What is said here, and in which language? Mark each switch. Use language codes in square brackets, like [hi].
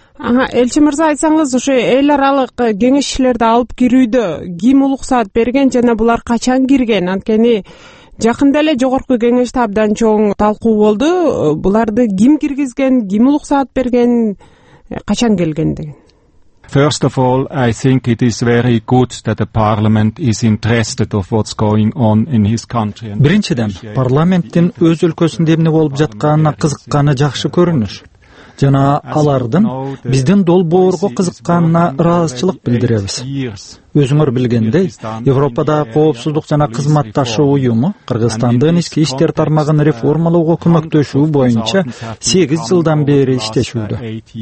[ky] Элчи мырза, айтсаңыз, ушу эл аралык кеңешчилерди алып кирүүдө ким уруксат берген жана булар качан кирген? Анткени жакында эле жогорку кеңеште абдан чоң талкуу болду. Буларды ким киргизген, ким уруксат берген, качан келген деген. [en] First of all, I think it is very good that the parliament is interested of what's going on in his country. [ky] Биринчиден, парламенттин өз өлкөсүндө эмне болуп жатканына кызыкканы жакшы көрүнүш. Жана алардын биздин долбоорго кызыкканына ыраазычылык билдиребиз. Өзүңөр билгендей, Европада коопсуздук жана кызматташуу уюму Кыргызстандын ички иштер тармагын реформалоого көмөктөшүү боюнча 8 жылдан бери иштешүүдө.